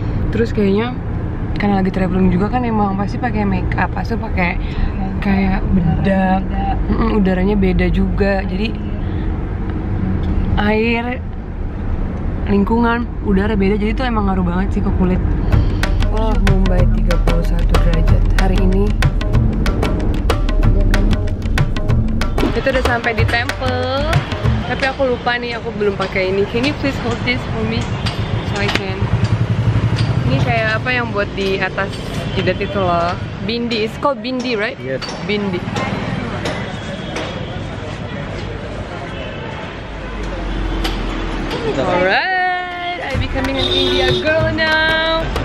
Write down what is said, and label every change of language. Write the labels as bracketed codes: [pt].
[id] Terus kayaknya karena lagi traveling juga kan, emang pasti pakai make up, pasti pakai kayak bedak, udaranya beda juga, jadi air, lingkungan, udara beda, jadi tuh emang ngaruh banget sih ke kulit. Wah, Mumbai 31 derajat hari ini. Itu udah sampai di temple, tapi aku lupa nih, aku belum pakai ini. [en] Can you please hold this for me so I can. [id] Ini kayak apa yang buat di atas jidat itu loh. [en] Bindi, it's called bindi, right? Yes. Bindi. Alright, I'm becoming an India girl now.